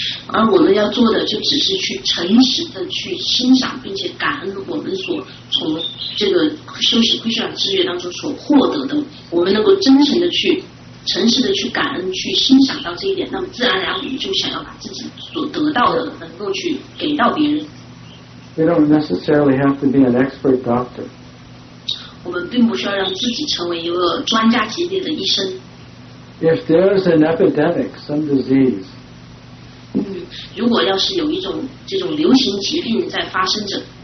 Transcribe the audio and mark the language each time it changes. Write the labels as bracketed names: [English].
[Chinese] 而我们要做的就只是去诚实的去欣赏并且感恩我们所从这个休息会上资源当中所获得的我们能够真诚的去诚实的去感恩去欣赏到这一点那么自然而然我们就想要把自己所得到的能够去给到别人 [English] We don't necessarily have to be an expert doctor [Chinese] 我们并不需要让自己成为一个专家级别的医生 [English] If there is an epidemic, some disease, [Chinese] 如果要是有一种这种流行疾病在发生着,